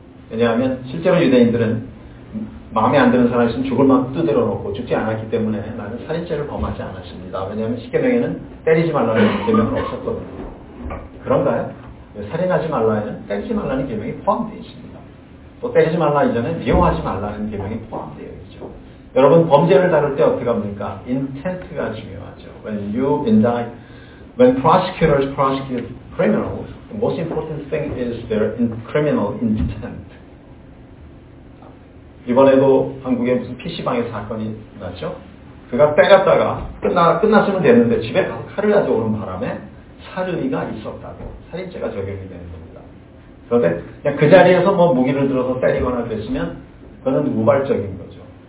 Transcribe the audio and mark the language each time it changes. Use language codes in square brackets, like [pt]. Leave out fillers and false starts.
[ko] 왜냐하면 실제로 유대인들은 마음에 안 드는 사람이 있으면 죽을 만큼 두드려 놓고 죽지 않았기 때문에 나는 살인죄를 범하지 않았습니다. 왜냐하면 십계명에는 때리지 말라는 계명은 없었거든요. 그런가요? 살인하지 말라에는 때리지 말라는 계명이 포함되어 있습니다. 또 때리지 말라 이전에 미워하지 말라는 계명이 포함되어 있죠. 여러분 범죄를 다룰 때 어떻게 합니까? Intent가 중요하죠. [en] When you indict, when prosecutors prosecute criminals, the most important thing is their criminal intent. [ko] 이번에도 한국에 무슨 PC방의 사건이 났죠? 그가 때렸다가 끝났으면 됐는데 집에 가서 칼을 가져오는 바람에 살의가 있었다고 살인죄가 적용이 되는 겁니다. 그런데 그냥 그 자리에서 뭐 무기를 들어서 때리거나 그랬으면 그거는 우발적인 거죠.